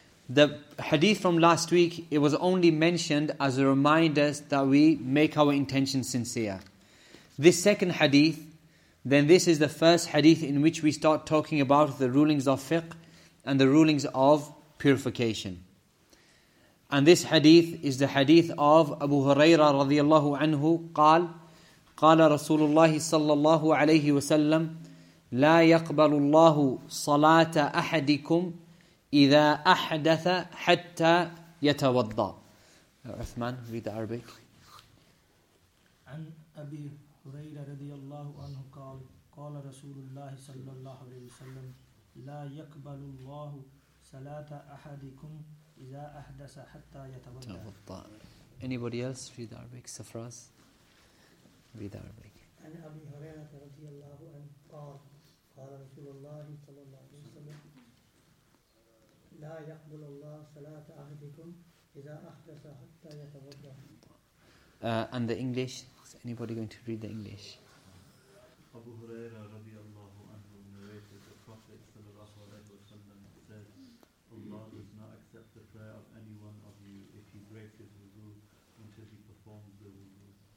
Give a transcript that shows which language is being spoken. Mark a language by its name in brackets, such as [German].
[English] The hadith from last week, it was only mentioned as a reminder that we make our intention sincere. This second hadith, then this is the first hadith in which we start talking about the rulings of fiqh and the rulings of purification. And this hadith is the hadith of Abu Huraira radiallahu anhu, [Arabic] قال قال رسول الله صلى الله عليه وسلم لا يقبل الله صلاة أحدكم إذا أحدث حتى يتوضأ. [English] عثمان, read the Arabic. [Arabic] عن أبي هريرة رضي الله عنه قال قال رسول الله صلى الله عليه وسلم لا يقبل الله صلاة أحدكم إذا أحدث حتى يتوضأ. [English] Anybody else read the Arabic? Safraz. Read Arabic. [Arabic] عن أبي هريرة رضي الله عنه قال قال رسول الله صلى الله عليه وسلم لا يقبل الله صلاة أحدكم إذا أحدث حتى يتوضأ. [English] And the English, is anybody going to read the English? أبو هريرة رضي الله عنه narrated the Prophet صلى الله عليه وسلم said Allah does not accept the prayer of any one of you if he breaks his wudu until he performs the wudu.